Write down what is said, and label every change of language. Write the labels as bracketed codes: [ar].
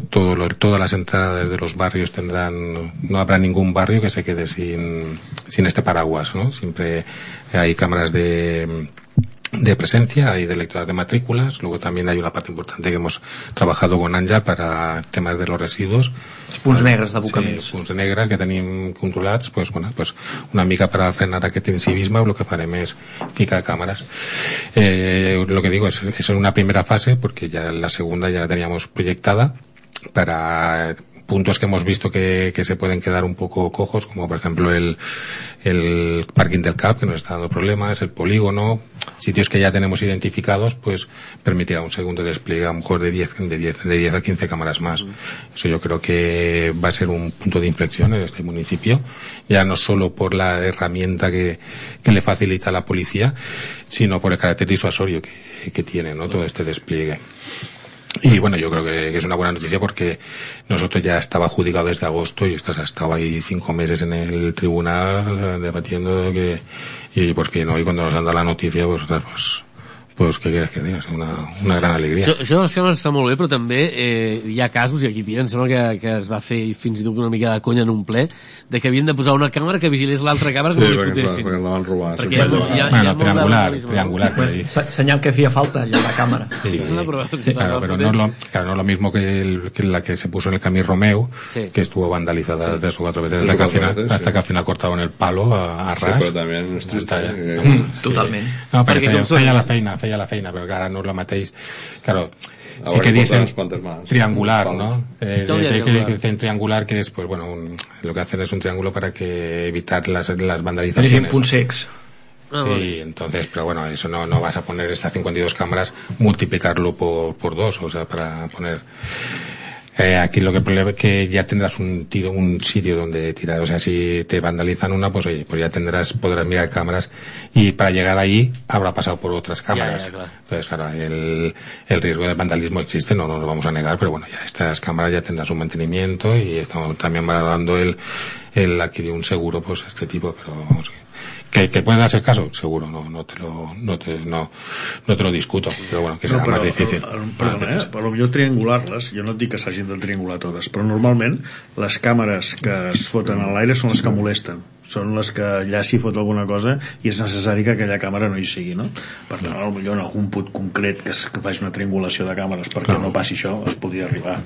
[es] Todas las entradas de los barrios tendrán, no habrá ningún barrio que se quede sin este paraguas, ¿no? Siempre hay cámaras de presencia, hay de lectura de matrículas, luego también hay una parte importante que hemos trabajado con Anja para temas de los residuos. [ca] Punts negres d'abocaments. Sí, punts negres que tenim controlats, pues bueno, pues una mica per frenar aquest incivisme, lo que farem és ficar càmeres. [es] Lo que digo es una primera fase, porque ya la segunda ya la teníamos proyectada para puntos que hemos visto que se pueden quedar un poco cojos, como por ejemplo el parking del CAP, que nos está dando problemas, el polígono, sitios que ya tenemos identificados, pues permitirá un segundo despliegue, a lo mejor de 10 a 15 cámaras más. Uh-huh. Eso yo creo que va a ser un punto de inflexión en este municipio, ya no solo por la herramienta que le facilita a la policía, sino por el carácter disuasorio que tiene, ¿no? Todo este despliegue. Y bueno, yo creo que es una buena noticia, porque nosotros ya estaba adjudicado desde agosto y estaba ahí 5 meses en el tribunal debatiendo y por fin hoy cuando nos han dado la noticia, pues qué quieres que digas, una gran alegría. [ca] Això de les càmeres està molt bé, però també hi ha casos, i aquí em sembla que es va fer fins i tot una mica de conya en un ple, de que havien de posar una càmera que vigilés l'altra càmera, sí, que no li fotessin. Perquè la van robar. Perquè hi ha triangular. Senyal que feia falta, ja, la càmera. [es] Sí, [ca] però no és [es] lo mismo que la que se puso en el Camí Romeu, sí, que estuvo vandalizada, sí, 3 o 4 veces, sí, hasta que al final cortaron el palo a ras. [ca] Sí, però també està allà. Totalment. No, perquè feia la feina, però ara no és la mateixa. [es] Claro, sí que dicen triangular, ¿no? Triangular, que después, bueno, lo que hacen es un triángulo para que evitar las vandalizaciones. Es punt sex. Sí, entonces, pero bueno, eso no vas a poner estas 52 cámaras, multiplicarlo por dos, o sea, para poner... aquí lo que problema es que ya tendrás un sitio donde tirar, o sea, si te vandalizan una, pues oye, pues ya podrás mirar cámaras, y para llegar ahí habrá pasado por otras cámaras. Entonces, claro, el riesgo de vandalismo existe, no lo vamos a negar, pero bueno, ya estas cámaras ya tendrán su mantenimiento, y estamos también valorando el adquirir un seguro, pues este tipo, pero vamos, que puede darse el caso, seguro, no te lo discuto, pero bueno, que será más difícil. [ca] Per lo millor triangular-les, jo no et dic que s'hagin de triangular totes, però normalment les càmeres que es foten a l'aire són les que molesten, són les que allà s'hi fot alguna cosa i és necessari que aquella càmera no hi sigui, no? Per tant, potser en algun punt concret que faci una triangulació de càmeres perquè no passi això, es podria arribar.